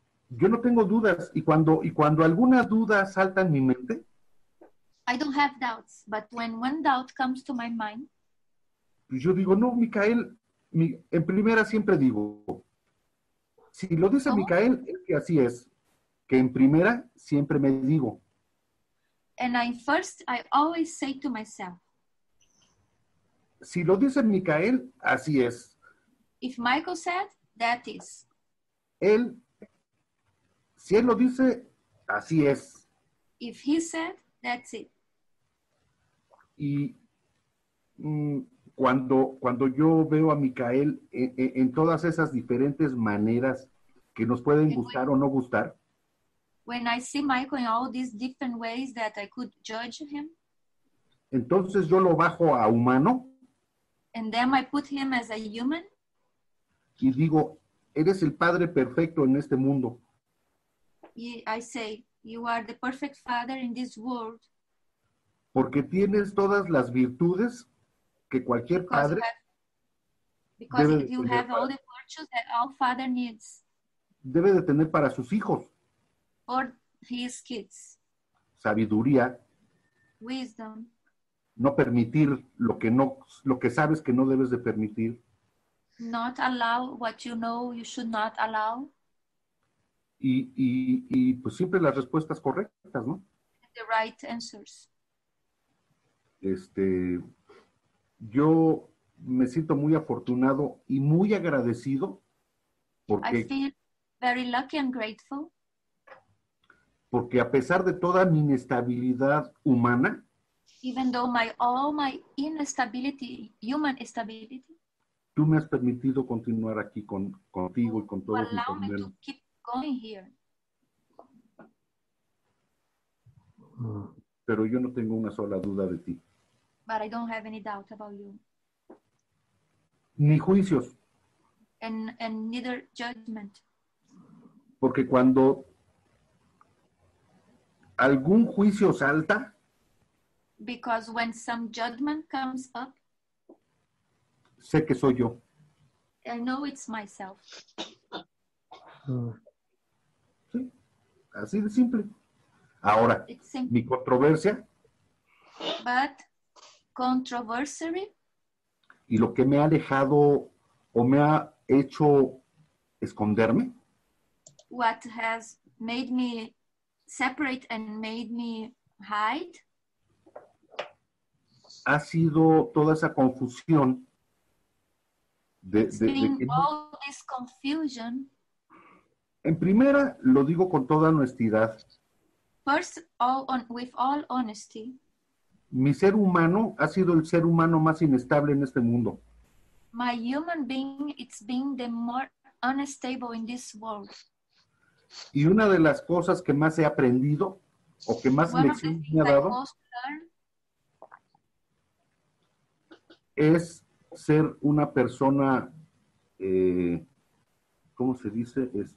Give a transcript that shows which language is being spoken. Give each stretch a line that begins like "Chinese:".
Spanish: Yo no tengo dudas y cuando alguna duda salta en mi mente,
English: I don't have doubts, but when one doubt comes to my mind,
Spanish: yo digo, no, Micael, en primera siempre digo, si lo dice Micael, es que así es, que en primera siempre me digo.
English: And I always say to myself,
Spanish: si lo dice Micael, así es.
English: If Michael said, that is.
Spanish: Si él lo dice, así es.
English: If he said, that's it.
Spanish: Y cuando yo veo a Micael en todas esas diferentes maneras que nos pueden gustar o no gustar.
English: When I see Michael in all these different ways that I could judge him.
Spanish: Entonces yo lo bajo a humano.
English: And then I put him as a human.
Spanish: Y digo, eres el padre perfecto en este mundo.
English: I say, you are the perfect father in this world.
Spanish: Porque tienes todas las virtudes que cualquier padre.
English: Because you have all the virtues that all father needs.
Spanish: Debe de tener para sus hijos.
English: For his kids.
Spanish: Sabiduría.
English: Wisdom.
Spanish: No permitir lo que sabes que no debes de permitir.
English: Not allow what you know you should not allow.
Spanish: Y pues siempre las respuestas correctas, ¿no?
English: The right answers.
Spanish: Yo me siento muy afortunado y muy agradecido porque.
English: I feel very lucky and grateful.
Spanish: Porque a pesar de toda mi inestabilidad humana.
English: Even though all my instability, human instability.
Spanish: Tú me has permitido continuar aquí contigo y con todos mis compañeros.
English: Allow me to keep going here.
Spanish: Pero yo no tengo una sola duda de ti.
English: But I don't have any doubt about you.
Spanish: Ni juicios.
English: And neither judgment.
Spanish: Porque cuando algún juicio salta.
English: Because when some judgment comes up.
Spanish: Sé que soy yo.
English: I know it's myself.
Spanish: Sí, así de simple. Ahora, simple. Mi controversia.
English: But controversy.
Spanish: Y lo que me ha alejado o me ha hecho esconderme.
English: What has made me separate and made me hide.
Spanish: Ha sido toda esa confusión.
English: It's been all this confusion.
Spanish: En primera, lo digo con toda honestidad.
English: First, with all honesty.
Spanish: Mi ser humano ha sido el ser humano más inestable en este mundo.
English: My human being, it's been the more unstable in this world.
Spanish: Y una de las cosas que más he aprendido, o que más lección me ha dado, es ser una persona, ¿cómo se dice?